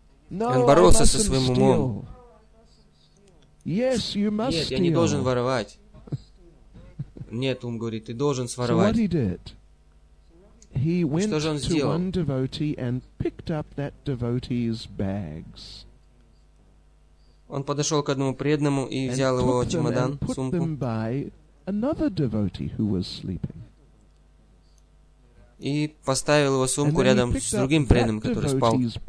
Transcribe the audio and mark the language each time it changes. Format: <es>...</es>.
<ru>Он боролся со своим умом.</ru> <en>Yes, you must steal.</en> <ru>Нет, я не должен воровать. Нет, ум говорит, ты должен своровать.</ru> <en>He went to one devotee and picked up that devotee's bags.</en> <ru>Он подошел к одному преданному и взял его чемодан, сумку.</ru> <en>And put them by another devotee who was sleeping.</en> <ru>И поставил его сумку рядом с другим преданным, который спал.</ru>